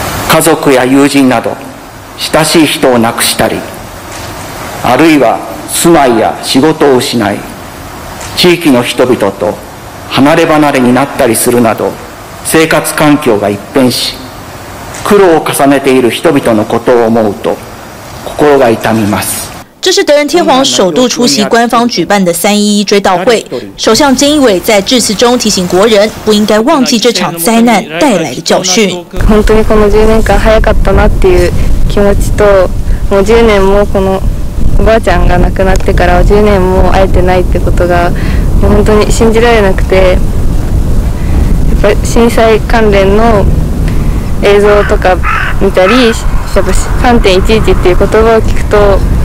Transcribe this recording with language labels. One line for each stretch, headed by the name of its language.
Japanese: 家族や友人など親しい人を亡くしたり、あるいは住まいや仕事を失い、地域の人々と離れ離れになったりするなど、生活環境が一変し、苦労を重ねている人々のことを思うと心が痛みます。
Chinese: 这是德仁天皇首度出席官方举办的311追悼会。首相菅义伟在致辞中提醒国人，不应该忘记这场灾难带来的教训。
Japanese: 本当にこの10年間早かったなっていう気持ちと、もう10年もこのおばあちゃんが亡くなってから10年も会えてないってことが本当に信じられなくて、やっぱり震災関連の映像とか見たり、やっぱ 3.11 っていう言葉を聞くと。